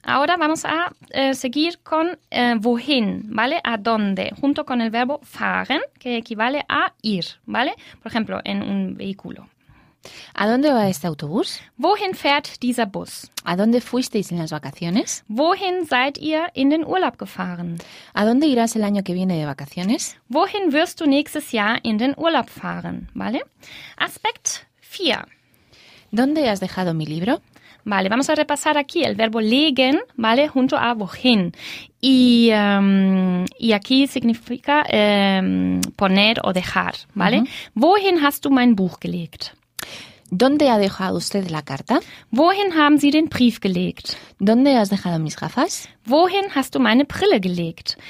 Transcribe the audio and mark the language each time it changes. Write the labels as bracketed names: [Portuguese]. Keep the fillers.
[Spanish] Ahora vamos a eh, seguir con eh, wohin, ¿vale? A dónde, junto con el verbo fahren, que equivale a ir, ¿vale? Por ejemplo, en un vehículo. ¿A dónde va este autobús? [German] Wohin fährt dieser Bus? [Spanish] ¿A dónde fuisteis en las vacaciones? [German] Wohin seid ihr in den Urlaub gefahren? [Spanish] ¿A dónde irás el año que viene de vacaciones? [German] Wohin wirst du nächstes Jahr in den Urlaub fahren? [Spanish] ¿Vale? aspekt 4. ¿Dónde has dejado mi libro? Vale, vamos a repasar aquí el verbo legen, ¿vale? Junto a wohin. Y, um, y aquí significa um, poner o dejar, ¿vale? Uh -huh. [German] Wohin hast du mein Buch gelegt? [Spanish] ¿Dónde ha dejado usted la carta? [German] Wohin haben Sie den Brief gelegt? Has Wohin hast du meine Brille gelegt?